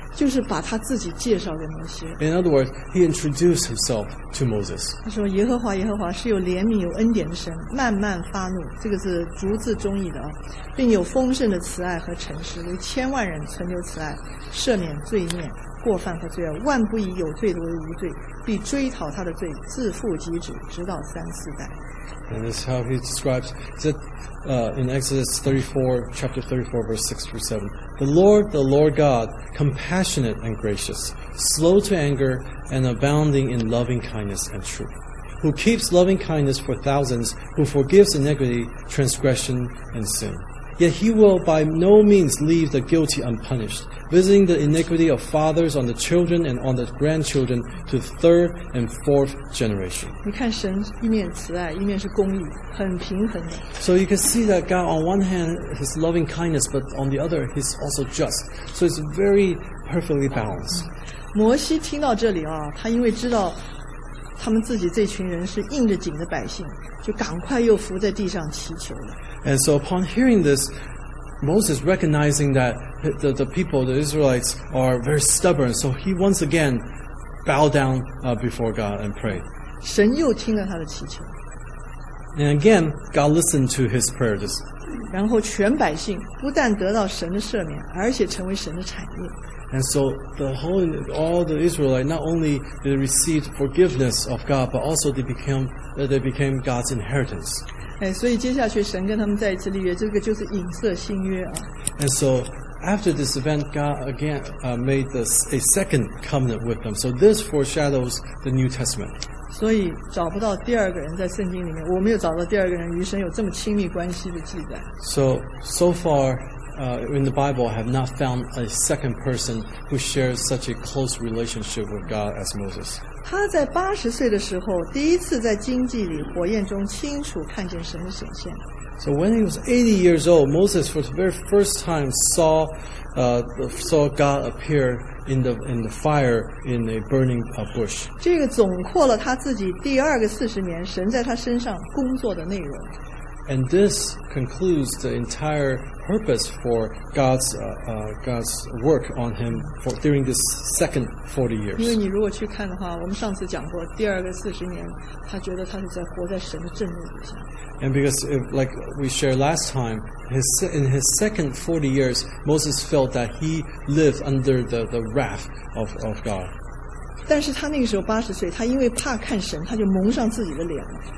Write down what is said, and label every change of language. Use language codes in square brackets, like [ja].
[zh] 就是把他自己介绍给摩西。 [en] In other words, he introduced himself to Moses. [zh] 他说耶和华耶和华是有怜悯有恩典的神，慢慢发怒，这个是逐字中意的，并有丰盛的慈爱和诚实，为千万人存留慈爱，赦免罪孽过犯和罪恶，万不以有罪的为无罪，必追讨他的罪，自负及止，直到三四代。 [en] And this is how he describes it in Exodus 34, chapter 34, verse 6 through 7. The Lord God, compassionate and gracious, slow to anger and abounding in loving kindness and truth, who keeps loving kindness for thousands, who forgives iniquity, transgression, and sin. Yet he will by no means leave the guilty unpunished, visiting the iniquity of fathers on the children and on the grandchildren to the third and fourth generation. [zh] 你看神一面慈爱，一面是公义，很平衡的。 [en] So you can see that God on one hand his loving kindness, but on the other he's also just. So it's very perfectly balanced. [zh] 摩西听到这里啊，他因为知道他们自己这群人是应着景的百姓，就赶快又伏在地上祈求了。 [en] And so upon hearing this, Moses recognizing that the people, the Israelites, are very stubborn, so he once again bowed down before God and prayed. [zh] 神又听了他的祈求。 [en] And again, God listened to his prayers. [zh] 然后全百姓不但得到神的赦免，而且成为神的产业。 [en] And so all the Israelites, not only they received forgiveness of God, but also they became God's inheritance. [zh] 哎，所以接下去神跟他们再一次立约，这个就是影射新约啊。 [en] And so after this event, God again made a second covenant with them. So this foreshadows the New Testament. [zh] 所以找不到第二个人在圣经里面，我没有找到第二个人与神有这么亲密关系的记载。 [en] So far, in the Bible, I have not found a second person who shares such a close relationship with God as Moses. [zh] 他在八十岁的时候，第一次在荆棘里、火焰中清楚看见神的显现。 [en] So when he was 80 years old, Moses for the very first time saw God appear in the fire in a burning bush. [zh] 这个总括了他自己第二个四十年神在他身上工作的内容。 [en] And this concludes the entire purpose for God's work on him for during this second 40 years. [zh] 因为你如果去看的话，我们上次讲过，第二个四十年，他觉得他是在活在神的震怒底下。 [en] And because, like we shared last time, in his second 40 years, Moses felt that he lived under the wrath of God. [zh] 但是他那个时候八十岁，他因为怕看神，他就蒙上自己的脸了。